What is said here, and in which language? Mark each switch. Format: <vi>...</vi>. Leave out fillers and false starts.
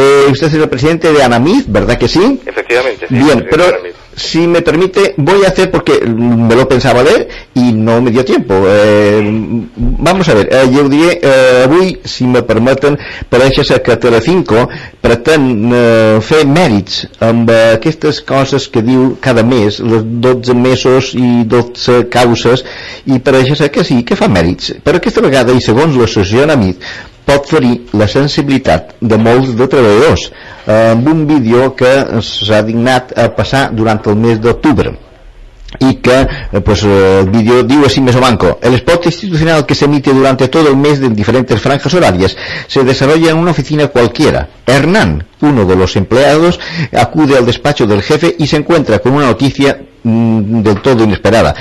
<es>Usted es el presidente de ANAMID, ¿verdad que sí? Efectivamente, sí. Bien, pero si me permite, voy a hacer, porque me lo pensaba leer y no me dio tiempo. Vamos a ver, yo diré,</es> <ca>avui,</ca> <es>si me permiten, parece ser que</es> <ca>Telecinco pretén fer mèrits amb aquestes coses que diu cada mes, les 12 mesos i 12 causes, i pareix ser que sí, que fa mèrits. Però aquesta vegada, i segons l'associació ANAMID, pot ferir la sensibilitat de molts de treballadors amb un vídeo que s'ha dignat a passar durant el mes d'octubre.</ca> <es>Y que pues el vídeo digo así meso banco, el spot institucional que se emite durante todo el mes en diferentes franjas horarias se desarrolla en una oficina cualquiera. Hernán, uno de los empleados, acude al despacho del jefe y se encuentra con una noticia del todo inesperada.</es>